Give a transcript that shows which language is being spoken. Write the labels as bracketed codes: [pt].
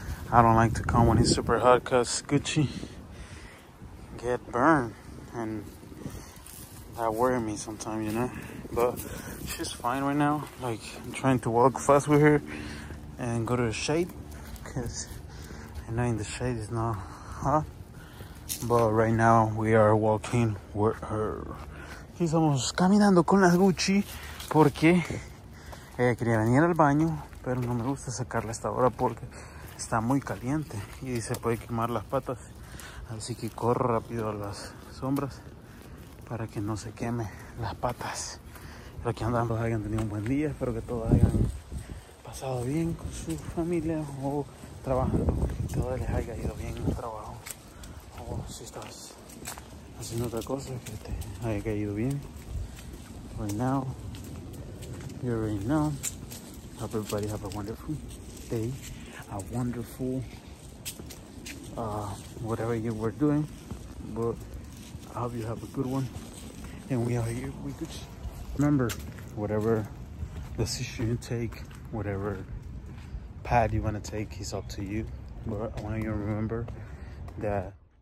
[en] I don't like to come when it's super hot because Gucci get burned and that worry me sometimes, you know, but she's fine right now. Like, I'm trying to walk fast with her and go to the shade because I know in the shade is not hot, but right now we are walking with her. [es] Estamos caminando con las Gucci porque ella quería venir al baño, pero no me gusta sacarla a esta hora porque está muy caliente y se puede quemar las patas. Así que corro rápido a las sombras para que no se queme las patas. Espero que andamos, hayan tenido un buen día. Espero que todos hayan pasado bien con su familia o trabajando. Que todo les haya ido bien en el trabajo. O si estás haciendo otra cosa, que te haya caído bien. [en] Right now, you already know. Hope everybody have a wonderful day, a wonderful whatever you were doing, but I hope you have a good one. And we are here, we could remember whatever decision you take, whatever path you want to take is up to you, but I want you to remember that